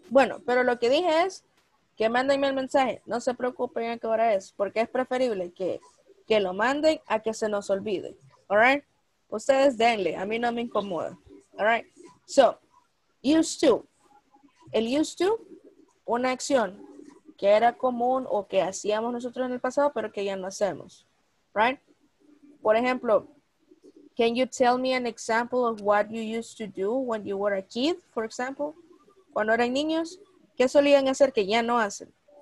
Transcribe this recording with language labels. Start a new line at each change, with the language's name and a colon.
Spanish: Bueno, pero lo que dije es que mándenme el mensaje. No se preocupen a qué hora es, porque es preferible que lo manden a que se nos olvide.
English: All right?
Spanish: Ustedes denle, a mí no me incomoda. All right?
English: So, used to.
Spanish: El used to, una acción que era común o que hacíamos nosotros en el pasado, pero que ya no hacemos.
English: Right?
Spanish: Por ejemplo,
English: can you tell me an example of what you used to do when you were a kid, for example?
Spanish: Cuando eran niños, ¿qué solían hacer que ya no hacen?